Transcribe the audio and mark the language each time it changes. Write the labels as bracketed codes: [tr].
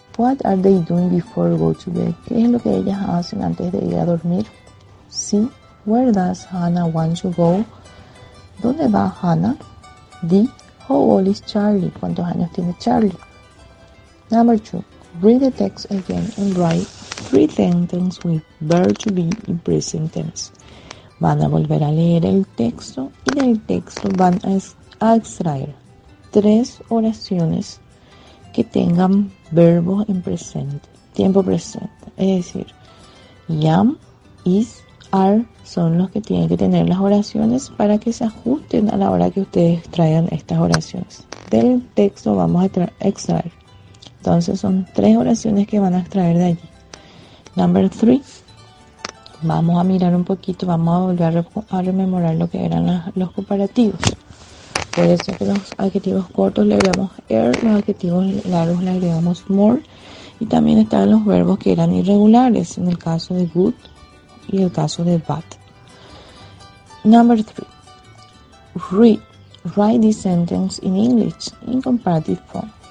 [en] What are they doing before go to bed? [es] ¿Qué es lo que ellas hacen antes de ir a dormir? [en] C. Where does Hannah want to go? [es] ¿Dónde va Hannah? [en] D. How old is Charlie? [es] ¿Cuántos años tiene Charlie? [en] Number 2. Read the text again and write 3 sentences with verb to be in present tense. [es] Van a volver a leer el texto y del texto van a extraer 3 oraciones que tengan verbos en presente, tiempo presente. Es decir, am, is, are son los que tienen que tener las oraciones para que se ajusten a la hora que ustedes traigan estas oraciones. Del texto vamos a extraer. Entonces son 3 oraciones que van a extraer de allí. [en] Number 3. [es] Vamos a mirar un poquito. Vamos a volver a rememorar lo que eran los comparativos. Por eso que los adjetivos cortos le agregamos air. Los adjetivos largos le agregamos more. Y también estaban los verbos que eran irregulares. En el caso de good y el caso de bad. [en] Number 3. Read. Write this sentence in English in comparative form.